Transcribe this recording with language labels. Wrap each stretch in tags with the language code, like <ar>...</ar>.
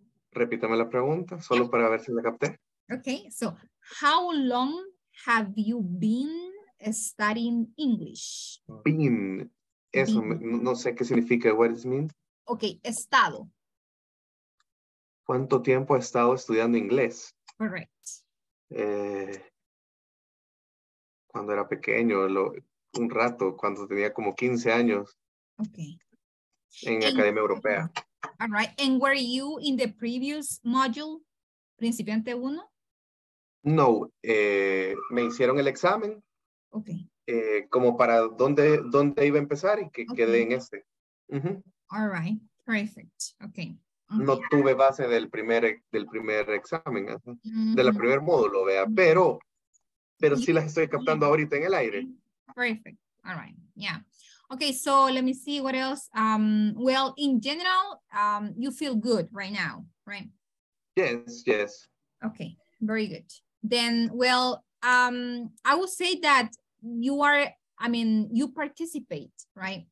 <es>Repítame la pregunta, solo para ver si la capté.</es> <en>Okay, so how long have you been studying English?</en> <es>Been. Eso, no sé qué significa,</es> <en>what does it mean?</en> <es>Okay, estado. ¿Cuánto tiempo he estado estudiando inglés?</es> <en>Correct.</en> <es>Cuando era pequeño, un rato, cuando tenía como 15 años.</es> <en>Okay.</en> <es>En Academia Europea.</es> <en>All right, and were you in the previous module, principiante 1?</en> <es>No, me hicieron el examen.</es> <en>Okay.</en> <es>Como para dónde iba a empezar y que okay. Quedé en este.</es> <en>Uh-huh. All right, perfect. Okay.</en> <es>No tuve base del primer examen, ¿eh? Mm-hmm. De la primer módulo, vea, pero sí las estoy captando ahorita en el aire.</es> <en>Perfect. All right. Yeah. Okay, so let me see what else. Well, in general, you feel good right now, right? Yes. Okay, very good. Then, well, I would say that you participate, right?</en>